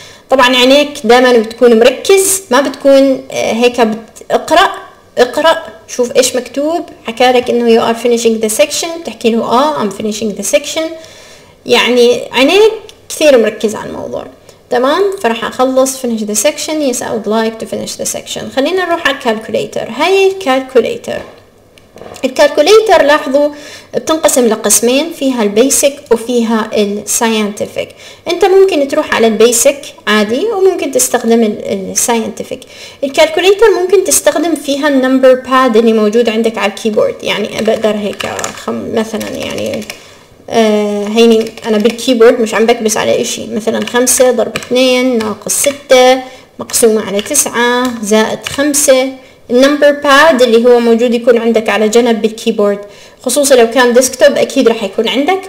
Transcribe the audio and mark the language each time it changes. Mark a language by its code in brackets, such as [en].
[ar] طبعا عينيك دائما بتكون مركز، ما بتكون هيك بتقرأ، اقرأ شوف ايش مكتوب، حكالك انه [en] you are finishing the section، [ar] بتحكي له [en] I'm finishing the section، [ar] يعني عينيك كثير مركز على الموضوع تمام. فرح اخلص [en] finish the section. Yes I would like to finish the section. [ar] خلينا نروح على الكالكوليتر. هاي الكالكوليتر، الكالكوليتر لاحظوا بتنقسم لقسمين، فيها البيسك وفيها الساينتفك. انت ممكن تروح على البيسك عادي وممكن تستخدم الساينتفك. الكالكوليتر ممكن تستخدم فيها النمبر باد اللي موجود عندك على الكيبورد، يعني بقدر هيك مثلا يعني هيني انا بالكيبورد مش عم بكبس على اشي، مثلا 5 ضرب 2 ناقص 6 مقسومة على 9 زائد 5، النمبر باد اللي هو موجود يكون عندك على جنب بالكيبورد، خصوصا لو كان ديسكتوب اكيد رح يكون عندك.